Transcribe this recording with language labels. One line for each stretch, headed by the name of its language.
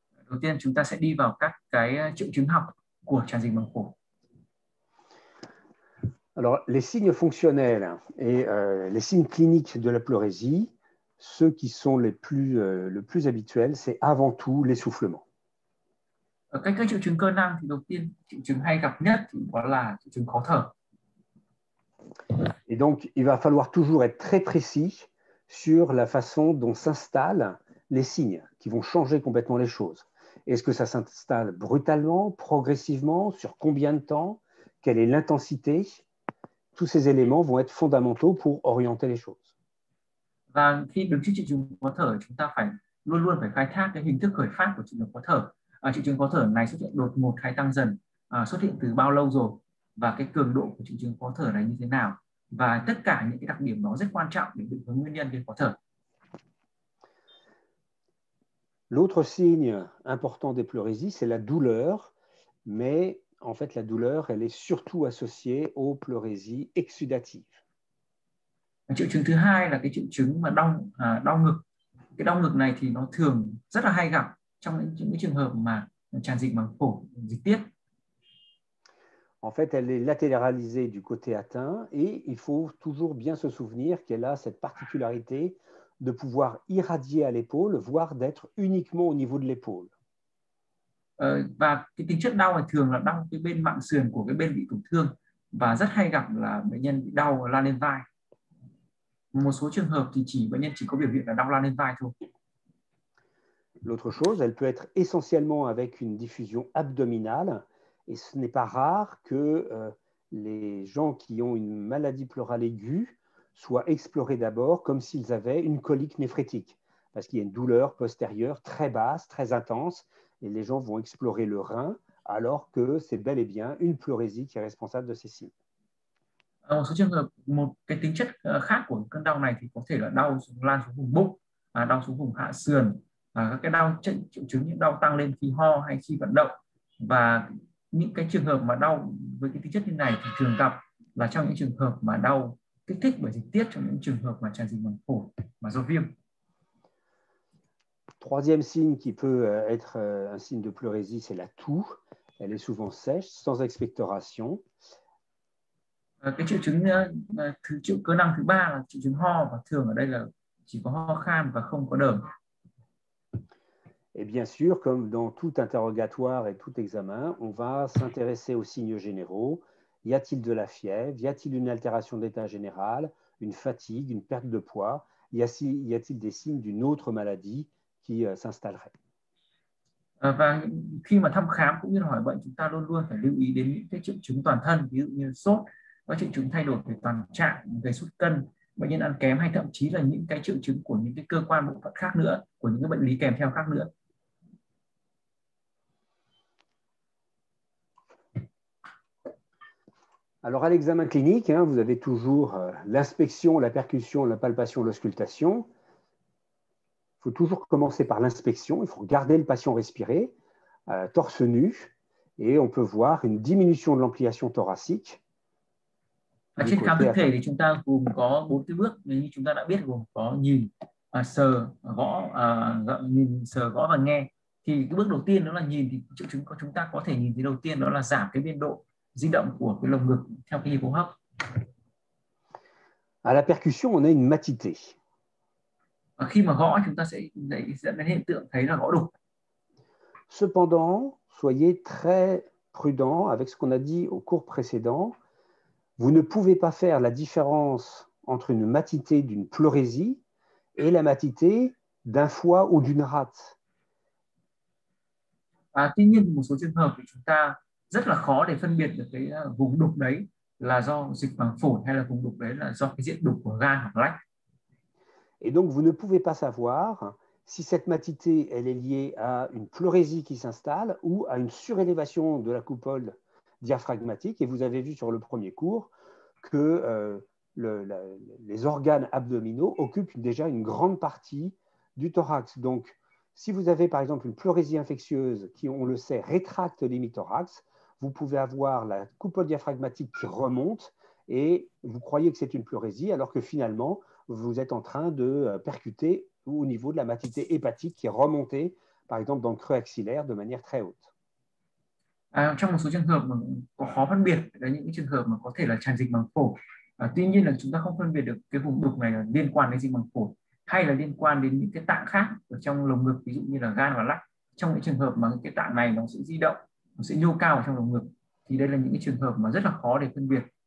Vietnamese: Đầu tiên chúng ta sẽ đi vào các cái triệu chứng học của tràn dịch màng phổi.
French: Alors, les signes fonctionnels et les signes cliniques de la pleurésie, ceux qui sont le plus habituels, c'est avant tout l'essoufflement.
Vietnamese: Cái triệu chứng cơ năng thì đầu tiên triệu chứng hay gặp nhất thì đó là triệu chứng khó thở.
French: Et donc, il va falloir toujours être très précis sur la façon dont s'installent les signes qui vont changer complètement les choses. Est-ce que ça s'installe brutalement, progressivement, sur combien de temps, quelle est l'intensité? Tous ces éléments vont être fondamentaux pour orienter les choses.
Vietnamese: Và khi đứng trước triệu chứng khó thở, chúng ta phải luôn luôn phải khai thác cái hình thức khởi phát của triệu chứng khó thở. Triệu chứng khó thở này xuất hiện đột ngột hay tăng dần, xuất hiện từ bao lâu rồi và cái cường độ của triệu chứng khó thở này như thế nào và tất cả những cái đặc điểm đó rất quan trọng để định hướng nguyên nhân gây khó thở.
French: L'autre signe important des pleurésies, c'est la douleur, mais en fait la douleur, elle est surtout associée aux pleurésies exudatives.
Vietnamese: Triệu chứng thứ hai là cái triệu chứng mà đau đau ngực. Cái đau ngực này thì nó thường rất là hay gặp trong những cái trường hợp mà tràn dịch màng phổi, dịch tiết.
French: En fait, elle est latéralisée du côté atteint et il faut toujours bien se souvenir qu'elle a cette particularité de pouvoir irradier à l'épaule, voire d'être uniquement au niveau de l'épaule.
Vietnamese: Và cái tính chất đau này thường là đau cái bên mạng sườn của cái bên bị tổn thương và rất hay gặp là bệnh nhân bị đau lan lên vai. Một số trường hợp thì chỉ bệnh nhân chỉ có biểu hiện là đau lan lên vai thôi.
French: L'autre chose, elle peut être essentiellement avec une diffusion abdominale. Et ce n'est pas rare que les gens qui ont une maladie pleurale aiguë soient explorés d'abord comme s'ils avaient une colique néphrétique, parce qu'il y a une douleur postérieure très basse, très intense, et les gens vont explorer le rein alors que c'est bel et bien une pleurésie qui est responsable de ces signes.
Vietnamese: Một số trường hợp một cái tính chất khác của cơn đau này thì có thể là đau lan xuống vùng bụng, đau xuống vùng hạ sườn, các cái đau triệu chứng như đau tăng lên khi ho hay khi vận động và những cái trường hợp mà đau với cái tính chất như này thì thường gặp là trong những trường hợp mà đau kích thích bởi dịch tiết trong những trường hợp mà tràn dịch màng phổi mà do viêm.
French: Troisième signe qui peut être un signe de pleurésie, c'est la toux. Elle est souvent sèche, sans expectoration.
Vietnamese: Cái triệu chứng thứ triệu cơ năng thứ ba là triệu chứng ho, và thường ở đây là chỉ có ho khan và không có đờm.
French: Et bien sûr, comme dans tout interrogatoire et tout examen, on va s'intéresser aux signes généraux. Y a-t-il de la fièvre? Y a-t-il une altération d'état général? Une fatigue? Une perte de poids? Y a-t-il des signes d'une autre maladie qui s'installerait?
Vietnamese: Và khi mà thăm khám cũng như hỏi bệnh, chúng ta luôn luôn phải lưu ý đến những cái triệu chứng toàn thân, ví dụ như sốt, có triệu chứng thay đổi về toàn trạng, về sút cân, bệnh nhân ăn kém, hay thậm chí là những cái triệu chứng của những cái cơ quan bộ phận khác nữa, của những cái bệnh lý kèm theo khác nữa.
French: Alors à l'examen clinique, hein, vous avez toujours l'inspection, la percussion, la palpation, l'auscultation. Il faut toujours commencer par l'inspection. Il faut regarder le patient respirer, torse nu, et on peut voir une diminution de l'ampliation thoracique
Vietnamese: Ở
French: du
Vietnamese: trên khám
French: côté
Vietnamese: thực
French: atteint.
Vietnamese: thể thì chúng ta gồm có 4 cái bước, như chúng ta đã biết, gồm có nhìn, sờ, gõ, nhìn, sờ, gõ và nghe. Thì cái bước đầu tiên đó là nhìn, thì triệu chứng của chúng ta có thể nhìn thấy đầu tiên đó là giảm cái biên độ di động của cái lồng ngực theo cái nhịp hô hấp.
French: À la percussion, on a une matité.
Vietnamese: Và khi mà gõ, chúng ta sẽ dẫn đến hiện tượng thấy là gõ đục.
French: Cependant, soyez très prudent avec ce qu'on a dit au cours précédent. Vous ne pouvez pas faire la différence entre une matité d'une pleurésie et la matité d'un foie ou d'une rate.
Vietnamese: À, tuy nhiên một số trường hợp thì chúng ta rất là khó để phân biệt được cái vùng đục đấy là do dịch màng phổi hay là vùng đục đấy là do cái diện đục của gan hoặc lách.
French: Et donc, vous ne pouvez pas savoir si cette matité, elle est liée à une pleurésie qui s'installe ou à une surélévation de la coupole diaphragmatique. Et vous avez vu sur le premier cours que les organes abdominaux occupent déjà une grande partie du thorax. Donc, si vous avez par exemple une pleurésie infectieuse qui, on le sait, rétracte l'hémithorax, vous pouvez avoir la coupole diaphragmatique qui remonte et vous croyez que c'est une pleurésie, alors que finalement, vous êtes en train de percuter au niveau de la matité hépatique qui est remontée, par exemple, dans le creux axillaire de manière très haute.
Vietnamese: À, trong một số trường hợp mà có khó phân biệt là những trường hợp mà có thể là tràn dịch màng phổi. À, tuy nhiên là chúng ta không phân biệt được cái vùng đục này là liên quan đến dịch màng phổi hay là liên quan đến những cái tạng khác ở trong lồng ngực, ví dụ như là gan và lách. Trong những trường hợp mà cái tạng này nó sẽ di động, nó sẽ nhô cao ở trong lồng ngực, thì đây là những cái trường hợp mà rất là khó để phân biệt.